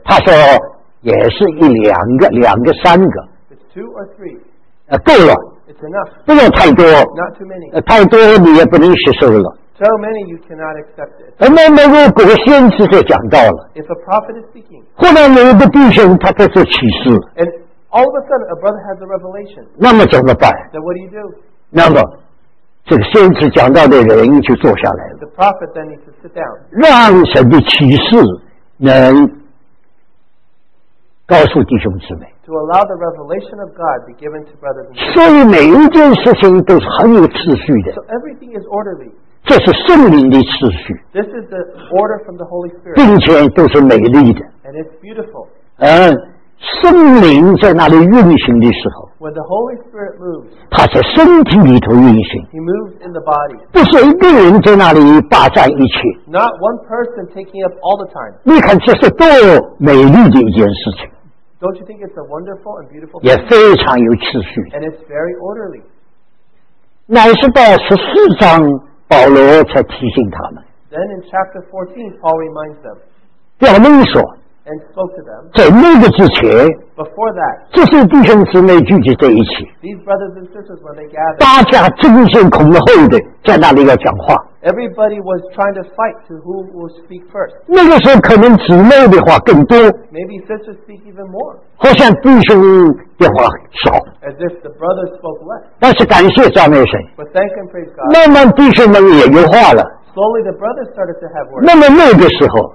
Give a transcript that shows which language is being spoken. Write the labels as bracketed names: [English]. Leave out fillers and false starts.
[Chinese] 他说也是一两个两个三个。 [English] It's two or three. [Chinese] 够了。 [English] It's enough. [Chinese] 不要太多。 [English] Not too many. [Chinese] 太多你也不能吸收了。 [English] So many you cannot accept it. [Chinese] 那么如果先知就讲到了。 [English] If a prophet is speaking. [Chinese] 后来有一个弟兄他在做启示。 [English] And all of a sudden a brother has a revelation. [Chinese] 那么怎么办？ [English] Then what do you do? [Chinese] 那么这个先知讲到的人就坐下来了。 [English] The prophet then needs to sit down. [Chinese] 让神的启示能告诉弟兄姊妹。 [English] To allow the revelation of God be given to brothers and sisters. [Chinese] 所以每一件事情都是很有秩序的。 [English] So everything is orderly. [Chinese] 这是圣灵的秩序。 [English] This is the order from the Holy Spirit. [Chinese] 并且都是美丽的。 [English] And it's beautiful. [Chinese] 圣灵在那里运行的时候。 [English] When the Holy Spirit moves. [Chinese] 他在身体里头运行。 [English] He moves in the body. [Chinese] 不是一个人在那里霸占一切。 [English] Not one person taking up all the time. [Chinese] 你看这是多美丽的一件事情。 [English] Don't you think it's a wonderful and beautiful thing? [Chinese] 也非常有秩序。 [English] And it's very orderly. [Chinese] 乃是到十四章保罗才提醒他们。 [English] Then in chapter 14, Paul reminds them. [Chinese] 表明说。 [English] And spoke to them. [Chinese] 在那个之前。 [English] Before that. [Chinese] 这些弟兄姊妹聚集在一起。 [English] These brothers and sisters when they gather. [Chinese] 大家争先恐后的在那里要讲话。 [English] Everybody was trying to fight to who will speak first. [Chinese] 那个时候可能姊妹的话更多。 [English] Maybe sisters speak even more. [Chinese] 好像弟兄的话少。 [English] As if the brothers spoke less. [Chinese] 但是感谢赞美神。 [English] But thank and praise God. [Chinese] 慢慢弟兄们也有话了。 [English] Slowly the brothers started to have words. [Chinese] 那么那个时候